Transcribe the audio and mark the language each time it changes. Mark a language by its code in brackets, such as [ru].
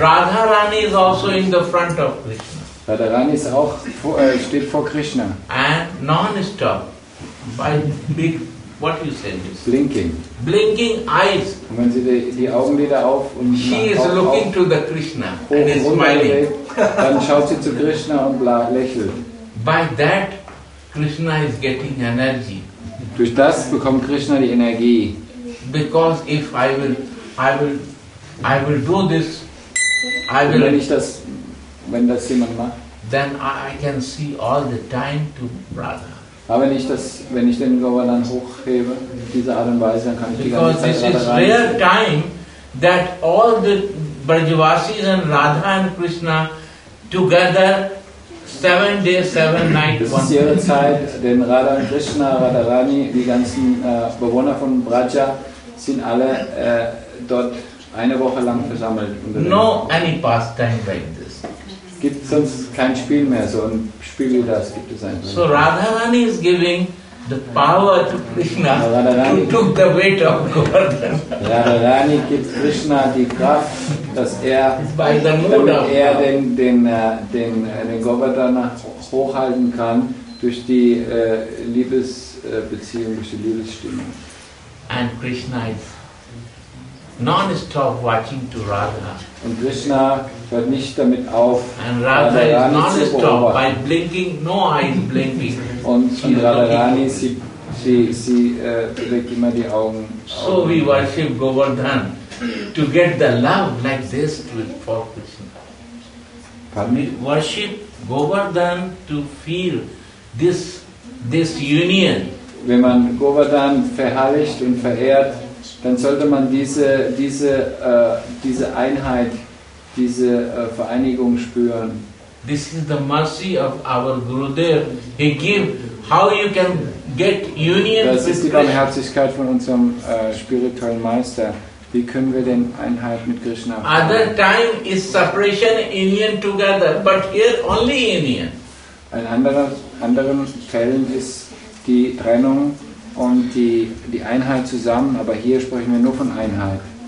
[en] Radharani is also in the front of Krishna. [de] Radharani ist auch steht vor Krishna. [en] And non-stop. By big, what you say? This? Blinking. Blinking eyes. [de] Und wenn sie die Augenlider auf und [en] she is looking [de] auf, [en] to the Krishna and is smiling. [de] Dann schaut sie zu Krishna und lächelt. [en] By that, Krishna is getting energy. [de] Durch das bekommt Krishna die Energie. [en] Because if I will do this, I will. [de] Wenn ich das, wenn das jemand macht, [en] then I can see all the time to Radha. [de] Aber wenn ich das, wenn ich den Govardhan hochhebe, diese Art und Weise, dann kann ich [en] because [de] die ganze Zeit [en] because this [de] Radha [en] is rare time that all the Brajavasis and Radha and Krishna together 7 days, 7 nights. [de] Das ist ihre Zeit, denn Radha und Krishna, Radharani, die ganzen Bewohner von Braja sind alle dort eine Woche lang versammelt. [en] No any pastime like this. [de] Gibt sonst kein Spiel mehr, so ein Spiel wie das gibt es einfach. [en] So Radharani is giving the power to Krishna [de] Radharani, [en] who took the weight of Govardhan. [de] Radharani gibt Krishna die Kraft, dass er, [en] by the mood [de] damit er den Govardhan hochhalten kann durch die Liebesbeziehung, durch die Liebesstimmung. [en] And Krishna is non-stop watching to Radha. [de] Und Krishna hört nicht damit auf, [en] and Radharani is non-stop by blinking, no eyes blinking. [de] Und die Radharani, sie bewegt immer die Augen. [en] So we worship Govardhan to get the love like this for Krishna. Pardon? We worship Govardhan to feel this union. [de] Wenn man Govardhan verherrlicht und verehrt, dann sollte man diese Einheit, diese Vereinigung spüren. [en] This is the mercy of our Gurudev. He gives how you can get union. [de] Das ist die Barmherzigkeit von unserem spirituellen Meister. Wie können wir denn Einheit mit Krishna haben? [en] Other time is separation, union together, but here only union. [de] In anderen Fällen ist die Trennung und die Einheit zusammen, aber hier sprechen wir nur von Einheit.